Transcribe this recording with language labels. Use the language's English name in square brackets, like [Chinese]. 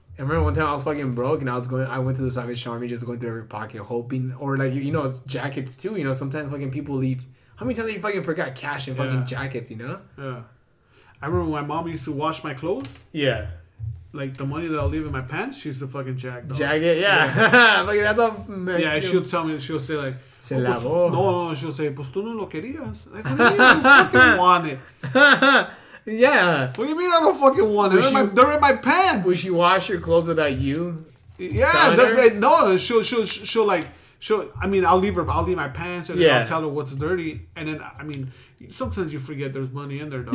[English] I remember one time I was fucking broke and I went to the Salvation Army just going through every pocket hoping, or like, you know, it's jackets too, you know, sometimes fucking people leave, how many times have you fucking forgot cash in fucking jackets, you know? Yeah. I remember when my mom used to wash my clothes. Yeah. Like the money that I'll leave in my pants, she used to fucking jacket, yeah. Like, that's all messy. Yeah, she'll tell me, she'll say like, [Spanish] se lavó. [English] No, she'll say, [Spanish] pues tú no lo querías. [English] Like, you fucking want it. Yeah. What do you mean I don't fucking want it? They're in my pants. Would she wash your clothes without you? Yeah. I'll leave her. I'll leave my pants and I'll tell her what's dirty. And then, I mean, sometimes you forget there's money in there, dog.